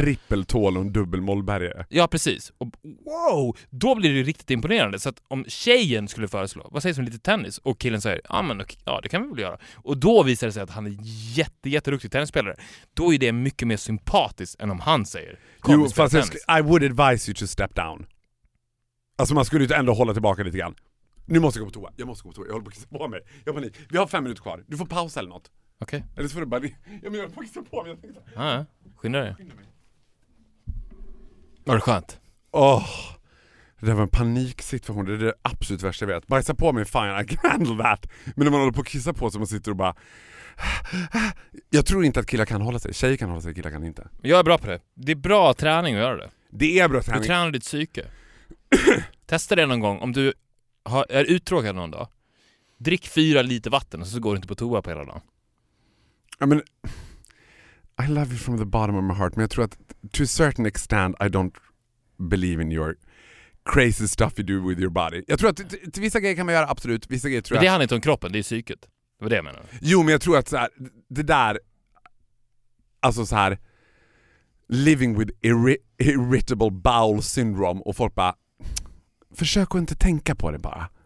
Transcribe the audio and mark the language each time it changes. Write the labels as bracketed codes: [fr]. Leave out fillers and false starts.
[sv] en trippeltål och en dubbelmålbergare. Ja, precis. Och wow, då blir det riktigt imponerande. Så att om tjejen skulle föreslå, vad säger som lite tennis? Och killen säger, ja, det kan vi väl göra. Och då visar det sig att han är jätteruktig tennisspelare. Då är det mycket mer sympatiskt än om han säger, [en] I would advise you to step down. [sv] Alltså man skulle ju ändå hålla tillbaka lite grann. Nu måste jag gå på toa. Jag håller på att kissa på mig. Jag har panik. Vi har 5 minuter kvar. Du får pausa eller något. Okej. Okay. Eller så får du bara... Ja, men jag håller på att kissa på mig. Jag tänkte... Ja, skynda dig. Var det skönt? Åh. Oh, det där var en paniksituation. Det är det absolut värsta jag vet. Bajsa på mig, [en] fine, I can handle that. [sv] Men när man håller på att kissa på sig, man sitter och bara... Jag tror inte att killar kan hålla sig. Tjejer kan hålla sig, killar kan inte. Jag är bra på det. Det är bra träning att göra det. Det är bra träning. Du tränar ditt psyke. Testa det någon gång. Om du är uttråkad någon dag, drick 4 liter vatten och så går du inte på toa på hela dagen. [en] I mean, I love you from the bottom of my heart, [sv] men jag tror att [en] to a certain extent I don't believe in your crazy stuff you do with your body. [sv] Jag tror att till vissa grejer kan man göra, absolut. Vissa grejer tror jag. Men det handlar inte om kroppen, det är psyket. Det var det jag menar. Jo, men jag tror att så här, det där, alltså så här, [en] living with irritable bowel syndrome, [sv] och folk bara, försök att inte tänka på det bara.